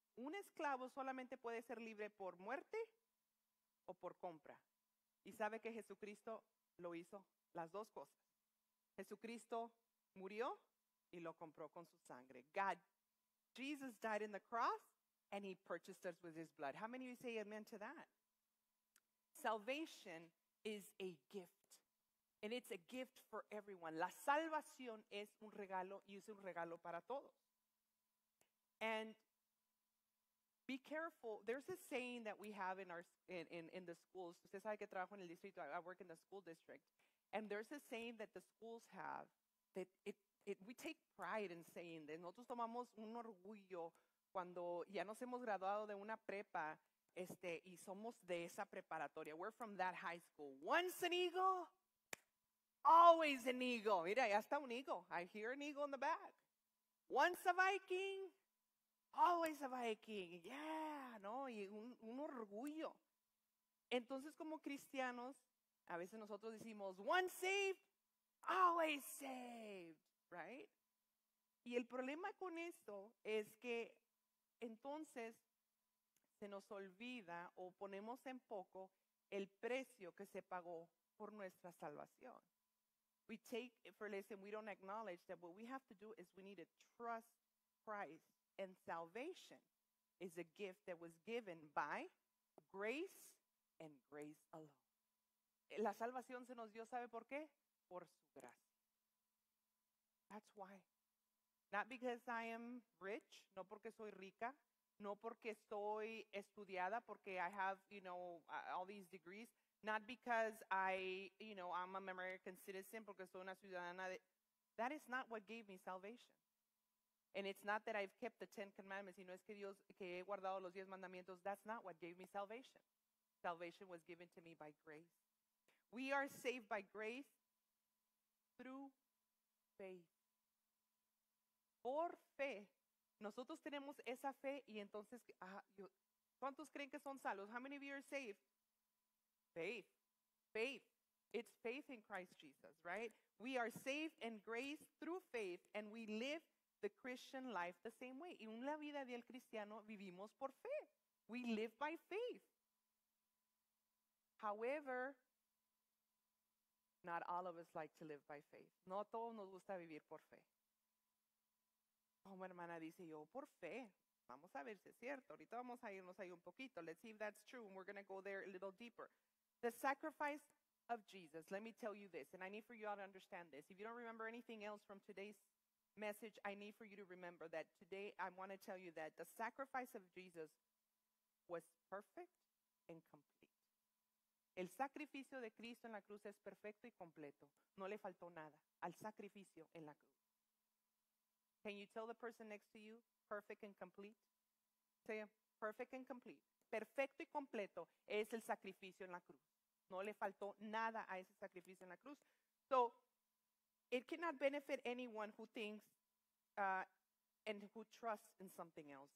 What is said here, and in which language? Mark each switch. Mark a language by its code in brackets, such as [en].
[es] Un esclavo solamente puede ser libre por muerte o por compra. Y sabe que Jesucristo lo hizo las dos cosas. Jesucristo murió y lo compró con su sangre. [en] God, Jesus died in the cross and he purchased us with his blood. How many of you say amen to that? Salvation is a gift, and it's a gift for everyone. [es] La salvación es un regalo, y es un regalo para todos. [en] And be careful. There's a saying that we have in our in the schools. [es] Usted sabe que trabajo en el distrito. [en] I work in the school district, and there's a saying that the schools have that it we take pride in saying that. [es] Nosotros tomamos un orgullo cuando ya nos hemos graduado de una prepa. Y somos de esa preparatoria. [en] We're from that high school. Once an eagle, always an eagle. [es] Mira, ya está un eagle. [en] I hear an eagle in the back. Once a Viking, always a Viking. [es] Yeah, no, y un orgullo. Entonces, como cristianos, a veces nosotros decimos, [en] once saved, always saved, right? [es] Y el problema con esto es que entonces se nos olvida o ponemos en poco el precio que se pagó por nuestra salvación. [en] We take it for less and we don't acknowledge that what we have to do is we need to trust Christ. And salvation is a gift that was given by grace and grace alone. [es] La salvación se nos dio, ¿sabe por qué? Por su gracia. [en] That's why. Not because I am rich, [es] no porque soy rica. No porque estoy estudiada, porque [en] I have, you know, all these degrees. Not because I, you know, I'm an American citizen, [es] porque soy una ciudadana. [en] That is not what gave me salvation. And it's not that I've kept the Ten Commandments, [es] y no es que Dios, que he guardado los 10 mandamientos. [en] That's not what gave me salvation. Salvation was given to me by grace. We are saved by grace through faith. [es] Por fe. Nosotros tenemos esa fe y entonces, ¿cuántos creen que son salvos? [en] How many of you are saved? [es] Faith. [en] It's faith in Christ Jesus, right? We are saved in grace through faith, and we live the Christian life the same way. [es] Y en la vida del cristiano vivimos por fe. [en] We live by faith. However, not all of us like to live by faith. [es] No todos nos gusta vivir por fe. Como hermana dice yo, por fe. Vamos a ver si es cierto. Ahorita vamos a irnos ahí un poquito. [en] Let's see if that's true. And we're going to go there a little deeper. The sacrifice of Jesus. Let me tell you this. And I need for you all to understand this. If you don't remember anything else from today's message, I need for you to remember that today I want to tell you that the sacrifice of Jesus was perfect and complete. [es] El sacrificio de Cristo en la cruz es perfecto y completo. No le faltó nada al sacrificio en la cruz. [en] Can you tell the person next to you, perfect and complete? Say, perfect and complete. [es] Perfecto y completo es el sacrificio en la cruz. No le faltó nada a ese sacrificio en la cruz. [en] So, it cannot benefit anyone who thinks and who trusts in something else.